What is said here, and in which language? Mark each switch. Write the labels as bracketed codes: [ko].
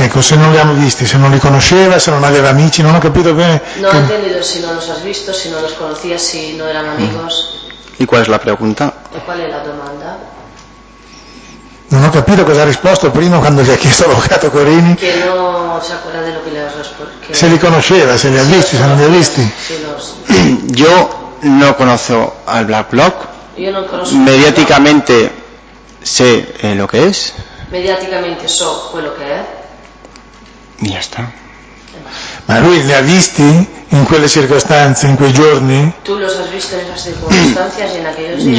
[it] Ecco, se non li hanno visti, se non li conosceva, se non aveva amici, non ho capito bene. Non ho intendito se non [es] los has visto, [it] se non [es] los conocías, [it] se non erano [es] amigos. ¿Y cuál es la pregunta? ¿Y cuál es la domanda? No he capito cosa ha respondido prima cuando [it] le ha chiesto l'avvocato [es] Corini. Que no se acuerda de lo que le has respondido. [it] Se li conosceva, se li ha visti, se li ha visti. [es] Yo no conozco al Black Bloc. Yo no conozco. Mediáticamente sé lo que es. [it] Mediáticamente so quello che è. [es] Y ya está. [it] Ma lui li ha visti in quelle circostanze, in quei giorni? [es] Tu los has visto en esas circunstancias y en aquellos días.